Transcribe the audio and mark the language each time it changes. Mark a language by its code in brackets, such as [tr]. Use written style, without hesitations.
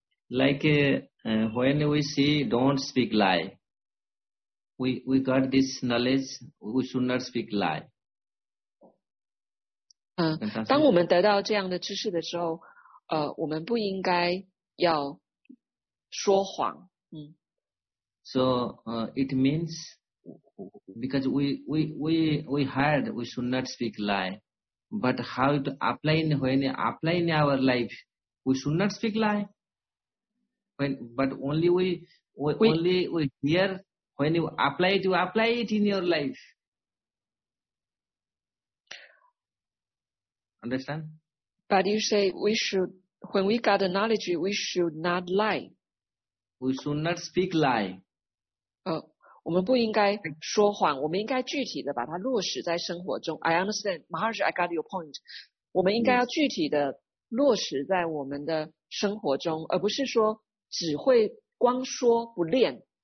[en] Like when we see don't speak lie, we got this knowledge, we should not speak lie. [zh] 当我们得到这样的知识的时候，我们不应该要说谎。 [en] So it means because we heard we should not speak lie, but how to apply in when apply in our life we should not speak lie. But only we hear when you apply it, you apply it in your life. Understand? But you say we should, when we got the knowledge, we should not lie. We should not speak lie. [zh] 我们不应该说谎，我们应该具体的把它落实在生活中。 [en] I understand, Maharaj, I got your point. [zh] 我们应该要具体的落实在我们的生活中，而不是说只会光说不练。